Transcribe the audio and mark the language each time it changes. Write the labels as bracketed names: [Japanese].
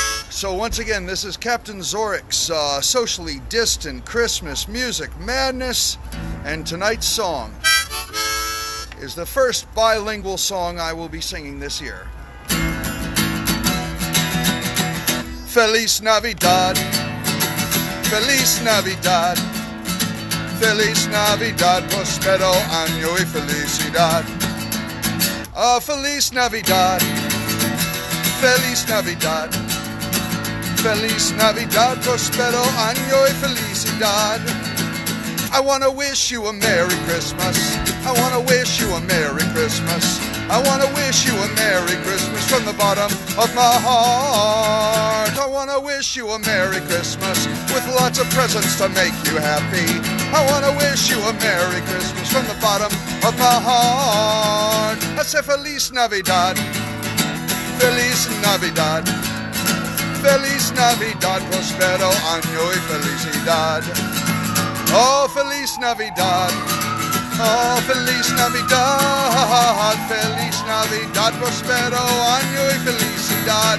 [English] So once again, this is Captain Zorikh's socially distant Christmas music madness, and tonight's song is the first bilingual song I will be singing this year. [Spanish] Feliz Navidad, Feliz Navidad, Feliz Navidad, Prospero Año y Felicidad. Oh, Feliz Navidad, Feliz Navidad, Feliz Navidad, Prospero Año y Felicidad. [English] I wanna wish you a Merry Christmas, I wanna wish you a Merry Christmas, I wanna wish you a Merry Christmas from the bottom of my heart. I wanna wish you a Merry Christmas with lots of presents to make you happy. I wanna wish you a Merry Christmas from the bottom of my heart. I say [Spanish] Feliz Navidad, Feliz Navidad, Feliz Navidad, Prospero Año y Felicidad. Oh, Feliz Navidad, oh, Feliz Navidad, Feliz Navidad, Prospero Año y Felicidad.